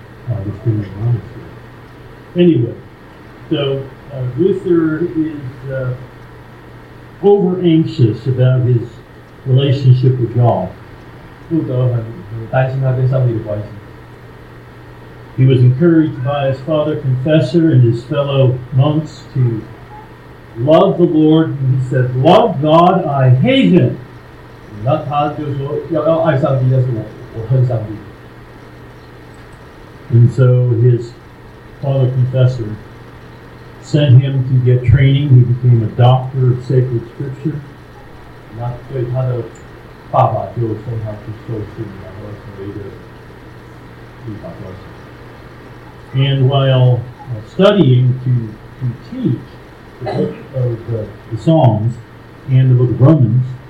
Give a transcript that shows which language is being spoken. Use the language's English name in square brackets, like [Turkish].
[English] Augustinian monastery. Anyway, so Luther is over anxious about his relationship with God. [Chinese] 路德很担心他跟上帝的关系。 [English] He was encouraged by his father confessor and his fellow monks to love the Lord, and he said, "Love God, I hate him." [Chinese] 那他就说要爱上帝，但是我恨上帝。 [English] And so his father confessor sent him to get training. He became a doctor of sacred scripture. [Chinese] 那对他的爸爸就送他去受训，然后成为一个律法教师。 [English] And while studying to teach the book of the Psalms and the book of Romans,